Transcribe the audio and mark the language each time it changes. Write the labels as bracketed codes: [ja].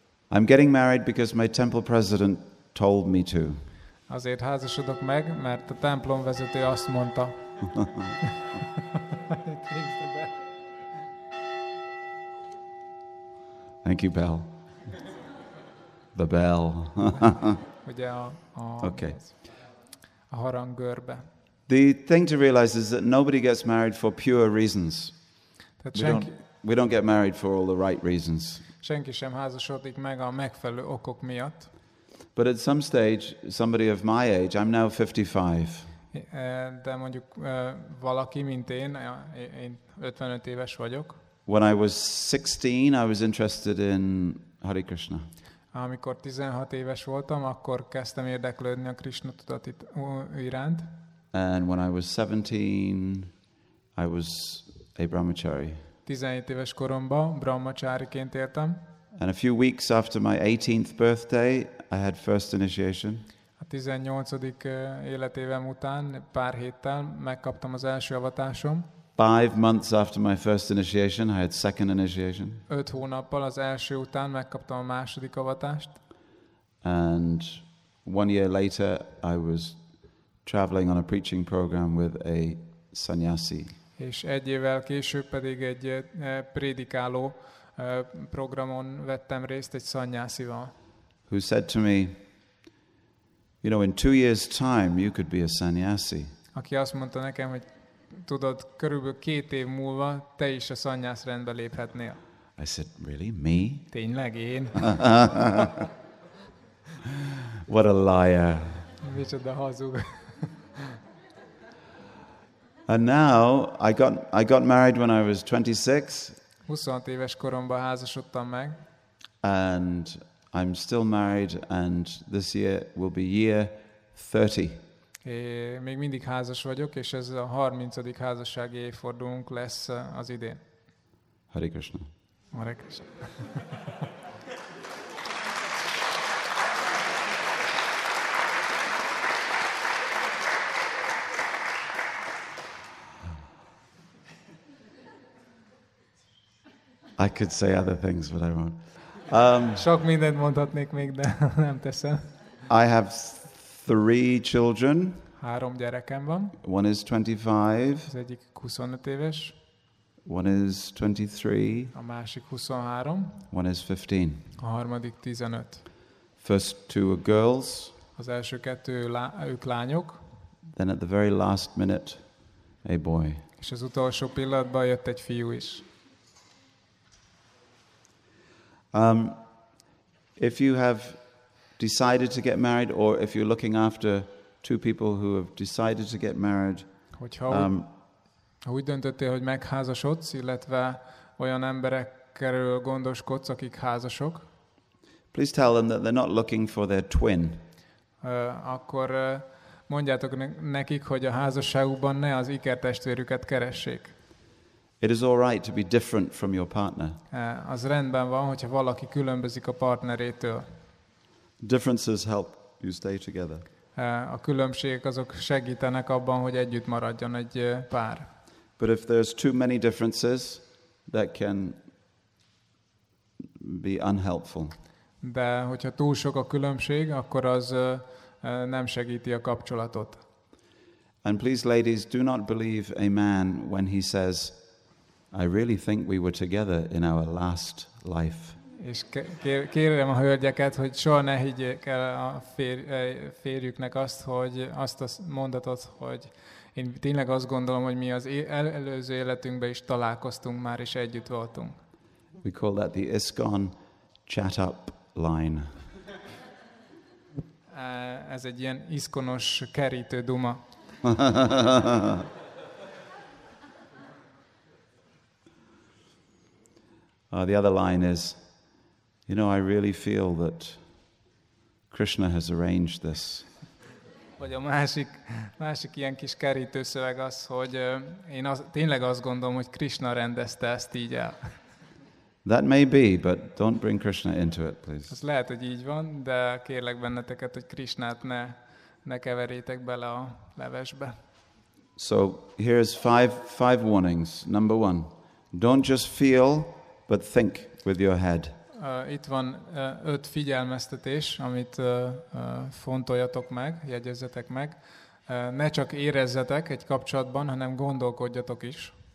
[en] I'm getting married because my temple president told me to. [hu] Azért házasodok meg, mert a templom vezető azt mondta. [en] Thank you, bell. The bell. [hu] Ugye a okay. A harangörbe. [en] The thing to realize is that nobody gets married for pure reasons. We don't get married for all the right reasons. [hu] Senki sem házasodik meg a megfelelő okok miatt. [en] But at some stage, somebody of my age, I'm now 55. [hu] De mondjuk valaki, mint én 55 éves vagyok. [en] When I was 16, I was interested in Hare Krishna. [hu] Amikor 16 éves voltam, akkor kezdtem érdeklődni a Krishna tudat iránt. [en] And when I was 17, I was a brahmachari. [hu] 17 éves koromban brahmachariként éltem. [en] And a few weeks after my 18th birthday, I had first initiation. [hu] A 18. életévem után pár héttel megkaptam az első avatásom. [en] 5 months after my first initiation, I had second initiation. [hu] 5 hónappal az első után megkaptam a második avatást. [en] And 1 year later, I was traveling on a preaching program with a sannyasi. [hu] És egy évvel később pedig egy prédikáló programon vettem részt egy sannyásival. [en] Who said to me, you know, in 2 years' time you could be a sannyasi. [hu] Aki azt mondta nekem, hogy tudod, körülbelül 2 év múlva te is a sannyász rendbe léphetnél. [en] I said, really, me? [hu] Tényleg én? [en] What a liar. [hu] Micsoda hazug. [en] And now I got married when I was 26. [hu] 26 éves koromban házasodtam meg. [en] And I'm still married, and this year will be year 30. [hu] Még mindig házas vagyok, és ez a 30. házassági évfordulónk lesz az idén. [sa] Hare Krishna. Hare Krishna. [en] I could say other things, but I won't. [hu] Sok mindent mondhatnék még, de nem teszem. [en] I have 3 children. [hu] 3 gyerekem van. [en] One is 25. [hu] Az egyik 25 éves. [en] One is 23. [hu] A másik 23. [en] One is 15. [hu] A harmadik 15. [en] First 2 are girls. [hu] Az első 2 ők lányok. [en] Then at the very last minute, a boy. [hu] És az utolsó pillanatban jött egy fiú is. [en] If you have decided to get married, or if you're looking after 2 people who have decided to get married, [hu] ha úgy döntöttél, hogy megházasodsz, illetve olyan emberekről gondoskodsz, akik házasok, [en] please tell them that they're not looking for their twin. [hu] Akkor mondjátok nekik, hogy a házasságukban ne az ikertestvérüket keressék. [en] It is all right to be different from your partner. [hu] Az rendben van, hogyha valaki különbözik a partnerétől. [en] Differences help you stay together. [hu] A különbségek azok segítenek abban, hogy együtt maradjon egy pár. [en] But if there's too many differences, that can be unhelpful. [hu] De hogyha túl sok a különbség, akkor az nem segíti a kapcsolatot. [en] And please, ladies, do not believe a man when he says, I really think we were together in our last life. [hu] És kérem a hölgyeket, hogy soha ne higgyék el a férjüknek azt, hogy azt a mondatot, hogy én tényleg azt gondolom, hogy mi az előző életünkben is találkoztunk már, és együtt voltunk. [en] We call that the ISKCON chat up line. [hu] Ez egy ilyen ISKCON-os kerítő duma. [en] The other line is, you know, I really feel that Krishna has arranged this. [hu] Vagy a másik ilyen kis kerítő szöveg az, hogy én tényleg azt gondolom, hogy Krishna rendezte ezt így el. [en] That may be, but don't bring Krishna into it, please. [hu] Ez lehet, hogy így van, de kérlek benneteket, hogy Krishnát ne keverjétek bele a levesbe. [en] So here's five warnings. Number one, don't just feel, but think with your head. [hu] Itt van öt figyelmeztetés, amit fontoljatok meg, jegyezzetek meg. Ne csak érezzetek egy kapcsolatban, hanem gondolkodjatok is.